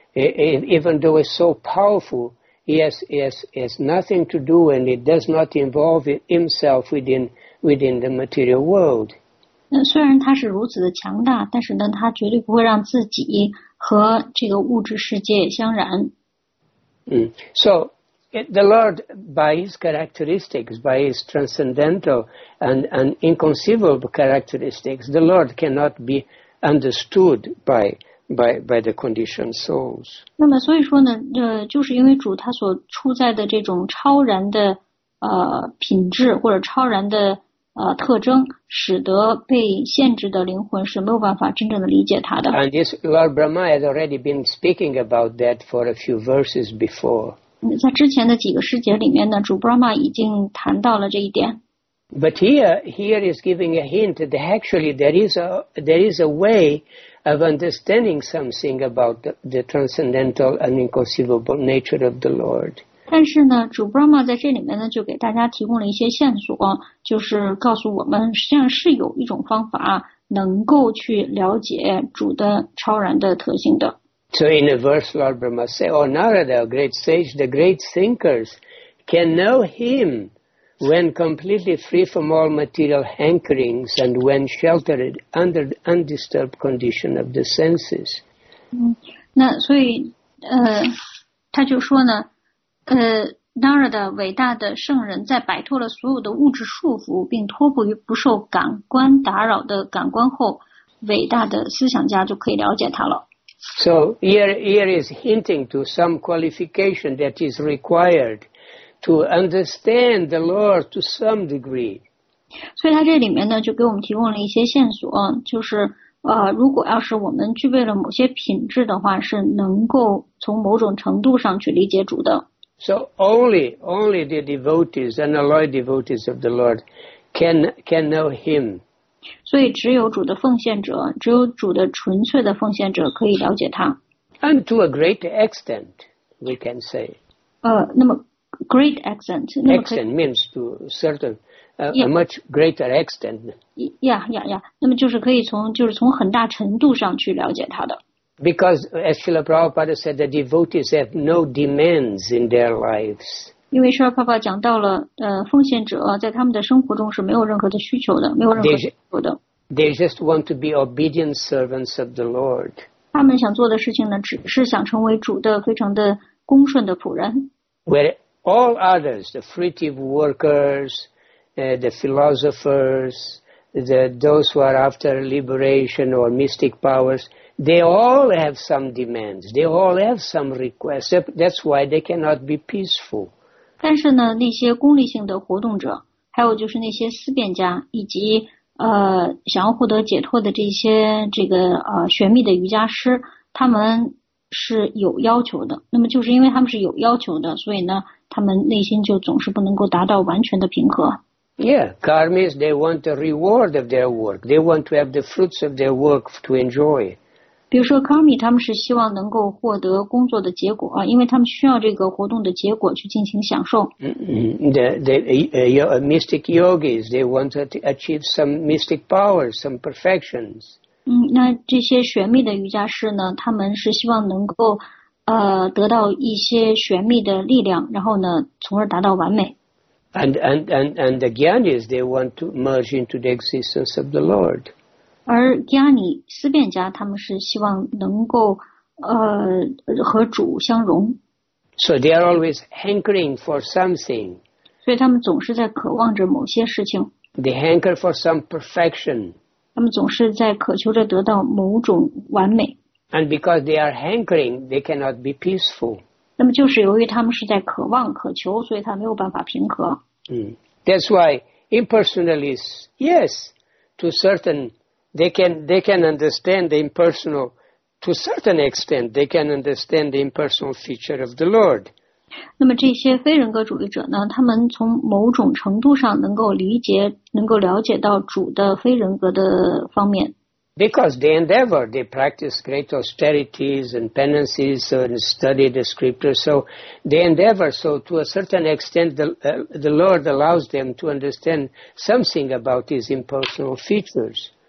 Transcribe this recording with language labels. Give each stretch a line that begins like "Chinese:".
English: Even though it's so powerful, he has nothing to do and it does not involve himself within the material world.
Chinese: 虽然他是如此的强大，但是呢，他绝对不会让自己和这个物质世界相染。
English: So the Lord, by his characteristics, by his transcendental and inconceivable characteristics, the Lord cannot be understood by the conditioned souls.
Chinese: 那么所以说呢，就是因为主他所处在的这种超然的品质或者超然的特征，使得被限制的灵魂是没有办法真正的理解他的。
English: And this Lord Brahma has already been speaking about that for a few verses before.
Chinese: 在之前的几个诗节里面呢，主 Brahma 已经谈到了这一点。
English: But here is giving a hint that actually there is a way of understanding something about the transcendental and inconceivable nature of the Lord.
Chinese: 但是呢，主 Brahma 在这里面呢，就给大家提供了一些线索，就是告诉我们实际上是有一种方法能够去了解主的超然的特性的。
English: So in a verse, Lord Brahma say, "Oh Narada, great sage, the great thinkers can know him." When completely free from all material hankerings and when sheltered under the undisturbed condition of the senses.
Chinese: 那所以他就说呢Narada 伟大的圣人在摆脱了所有的物质束缚并脱不于不受感官打扰的感官后伟大的思想家就可以了解他了。
English: So here is hinting to some qualification that is required to understand the Lord to some degree.
Chinese: 所以他这里面呢，就给我们提供了一些线索，就是如果要是我们具备了某些品质的话，是能够从某种程度上去理解主的。
English: So only the devotees and the loyal devotees of the Lord can know Him.
Chinese: 所以只有主的奉献者，只有主的纯粹的奉献者可以了解他。
English: And to a great extent, we can say.
Chinese: 那么
English: great extent. Extent means to certain, a much greater extent. Yeah, yeah, yeah.
Chinese: 那么就是从很大程度上去了解他的。
English: Because, as Srila Prabhupada said, the devotees have no demands in their lives.
Chinese: 因为 Srila Prabhupada 讲到了，奉献者在他们的生活中是没有任何的需求的，没有任何需求的。
English: They just want to be obedient servants of the Lord.
Chinese: 他们想做的事情呢，只是想成为主的非常的恭顺的仆人。
English: Where all others, the fruitive workers, the philosophers, those who are after liberation or mystic powers, they all have some demands. They all have some requests. That's why they cannot be peaceful.
Chinese: 但是呢，那些功利性的活动者，还有就是那些思辨家，以及想要获得解脱的这些玄秘的瑜伽师，他们是有要求的。那么就是因为他们是有要求的，所以呢，他们内心就总是不能够达到完全的平和。
English: Yeah, karmis, they want the reward of their work. They want to have the fruits of their work to enjoy.
Chinese: 比如说 karmi, 他们是希望能够获得工作的结果，因为他们需要这个活动的结果去进行享受。
English: The mystic yogis, they want to achieve some mystic powers, some perfections.
Chinese: 那这些玄秘的瑜伽师呢，他们是希望能够得到一些玄秘的力量，然后呢，从而达到完美。
English: And the gyanis, they want to merge into the existence of the Lord.
Chinese: 而 gyani 思辨家，他们是希望能够和主相融。
English: So they are always hankering for something.
Chinese: 所以他们总是在渴望着某些事情。
English: They hanker for some perfection.
Chinese: 他们总是在渴求着得到某种完美。
English: And because they are hankering, they cannot be peaceful.
Chinese: 那么就是由于他们是在渴望渴求，所以他没有办法平和。
English: That's why impersonalists, yes, to certain, they can understand the impersonal, to certain extent, they can understand the impersonal feature of the Lord.
Chinese: 那么这些非人格主义者呢，他们从某种程度上能够理解，能够了解到主的非人格的方面。
English: Because they endeavor, they practice great austerities and penances and study the scriptures. So they endeavor. So to a certain extent, the Lord allows them to understand something about His impersonal features.